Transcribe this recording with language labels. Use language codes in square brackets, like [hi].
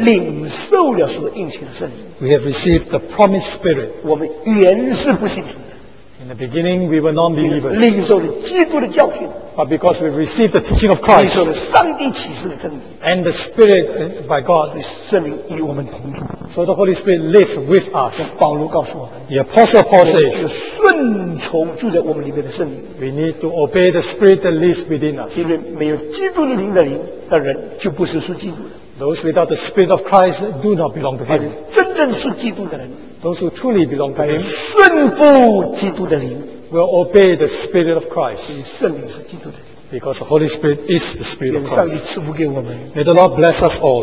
[zh] 我们领受了所应许的圣灵。 [en] We have received the promised Spirit. [zh] 我们原是不信主的。 [en] In the beginning, we were non-believers. [zh] 领受了基督的教训。 [en] But because we received the teaching of Christ. [zh] 领受了上帝启示的真理。 [en] And the Spirit by God. [zh] 圣灵与我们同住。 [en] So the Holy Spirit lives with us. [zh] 保罗告诉我们。 [en] The Apostle Paul says. [zh] 顺从住在我们里面的圣灵。 [en] We need to obey the Spirit that lives within us. [zh] 因为没有基督的灵的灵的人就不是属基督的。 [en] Those without the Spirit of Christ do not belong to Him. [zh] 真正属基督的人。 [en] Those who truly belong to Him. [zh] 顺服基督的灵。 [en] Will obey the Spirit of Christ. [zh] 因为圣灵是基督的。 [en] Because the Holy Spirit is the Spirit of Christ. [zh] 愿上帝赐福给我们。 [en] May the Lord bless us all.